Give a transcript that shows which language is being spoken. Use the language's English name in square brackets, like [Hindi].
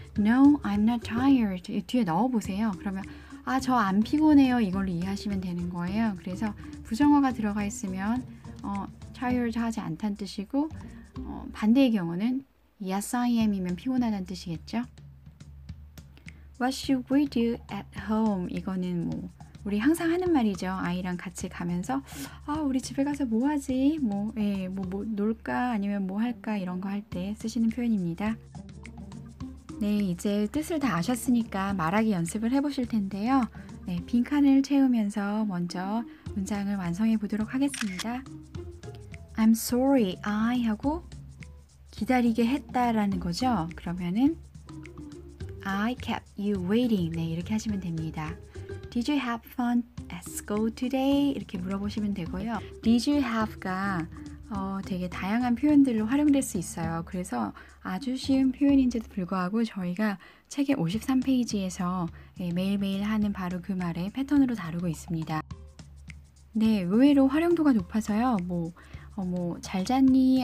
[English] No, I'm not tired. [Korean] 뒤에 넣어보세요. 그러면 아, 저 안 피곤해요. 이걸로 이해하시면 되는 거예요. 그래서 부정어가 들어가 있으면 tired 하지 않다는 뜻이고 반대의 경우는 [English] Yes, I am [Korean] 이면 피곤하다는 묻이겠죠. [English] What should we do at home? [Korean] 이거는 뭐 우리 항상 하는 말이죠. 아이랑 같이 가면서 아, 우리 집에 가서 뭐 하지? 뭐 놀까? 아니면 뭐 할까? 이런 거 할 때 쓰시는 표현입니다. 네, 이제 뜻을 다 아셨으니까 말하기 연습을 해보실 텐데요. 네, 빈칸을 채우면서 먼저 문장을 완성해 보도록 하겠습니다. [English] I'm sorry, I [Korean] 하고 기다리게 했다라는 거죠. [English] 그러면은 I kept you waiting. [Korean] 네, 이렇게 하시면 됩니다. [English] Did you have fun at school today? [Korean] 이렇게 물어보시면 되고요. [English] Did you have [Korean] 가 되게 다양한 표현들로 활용될 수 있어요. 그래서 아주 쉬운 표현인지도 불구하고 저희가 책의 53페이지에서 매일매일 하는 바로 그 말의 패턴으로 다루고 있습니다. 네, 의외로 활용도가 높아서요. 잘 잤니?